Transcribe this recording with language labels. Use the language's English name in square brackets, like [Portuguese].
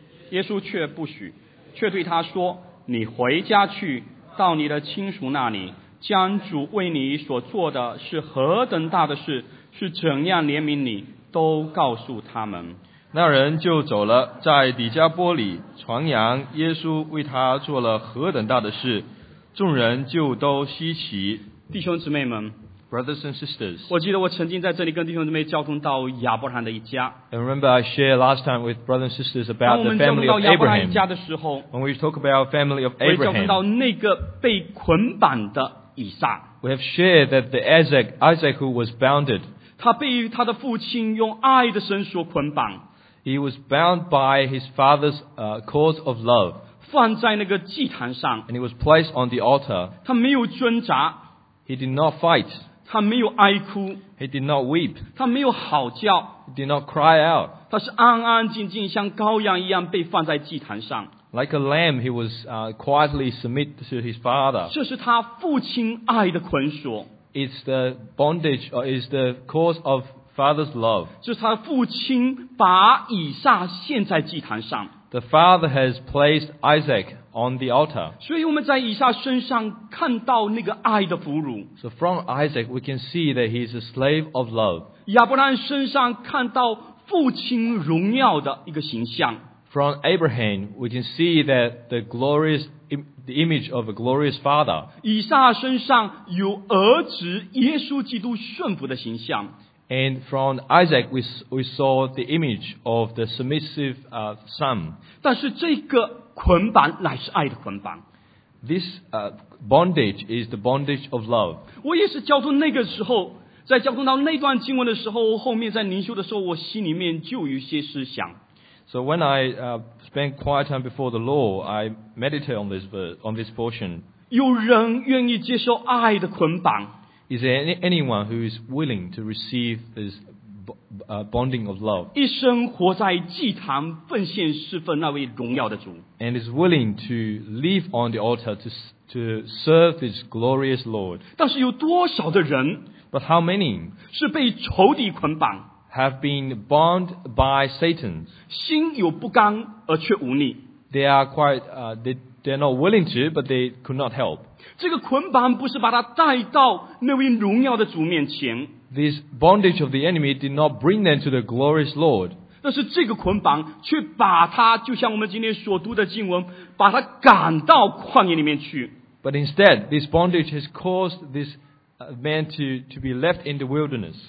[Chinese] 耶稣却不许，却对他说，你回家去，到你的亲属那里，将主为你所做的是何等大的事，是怎样怜悯你，都告诉他们。那人就走了，在底加波里传扬耶稣为他做了何等大的事，众人就都稀奇。弟兄姊妹们， [English] Brothers and sisters， [Chinese] 我记得我曾经在这里跟弟兄姊妹交通到亚伯罕的一家。 [English] And remember I shared last time with brothers and sisters about the family of Abraham. When we talk about the family of Abraham， [Chinese] 我也交通到那个被捆绑的以撒。 [English] We have shared that the Isaac who was bounded， [Chinese] 他被他的父亲用爱的绳索捆绑。 [English] He was bound by his father's cause of love. [Chinese] 放在那个祭坛上。 [English] And he was placed on the altar. [Chinese] 他没有挣扎。 [English] He did not fight. [Chinese] 他没有哀哭。 [English] He did not weep. [Chinese] 他没有嚎叫。 [English] He did not cry out. [Chinese] 他是安安静静像羔羊一样被放在祭坛上。 [English] Like a lamb, he was quietly submitted to his father. [Chinese] 这是他父亲爱的捆锁。 [English] It's the bondage, or is the cause of Father's love. [Chinese] 就是他父亲把以撒献在祭坛上。 [English] The father has placed Isaac on the altar. [Chinese] 所以我们在以撒身上看到那个爱的俘虏。 [English] So from Isaac, we can see that he is a slave of love. [Chinese] 亚伯兰身上看到父亲荣耀的一个形象。 [English] From Abraham, we can see that the image of a glorious father. [Chinese] 以撒身上有儿子耶稣基督顺服的形象。 [English] And from Isaac, we saw the image of the submissive son. [Chinese] 但是这个捆绑乃是爱的捆绑。 [English] This bondage is the bondage of love. [Chinese] 我也是交通那个时候，在交通到那段经文的时候，后面在灵修的时候，我心里面就有一些思想。 [English] So when I spent quiet time before the law, I meditate on this portion. [Chinese] 有人愿意接受爱的捆绑。 [English] Is there anyone who is willing to receive this bonding of love? [Chinese] 一生活在祭坛奉献侍奉那位荣耀的主。 [English] And is willing to live on the altar to serve this glorious Lord. [Chinese] 但是有多少的人？ [English] But how many? [Chinese] 是被仇敌捆绑？ [English] Have been bound by Satan. [Chinese] 心有不甘而却无力。 [English] They are they're not willing to, but they could not help. [Chinese] 这个捆绑不是把他带到那位荣耀的主面前。 [English] This bondage of the enemy did not bring them to the glorious Lord. [Chinese] 但是这个捆绑却把他，就像我们今天所读的经文，把他赶到旷野里面去。 [English] But instead, this bondage has caused this man to be left in the wilderness.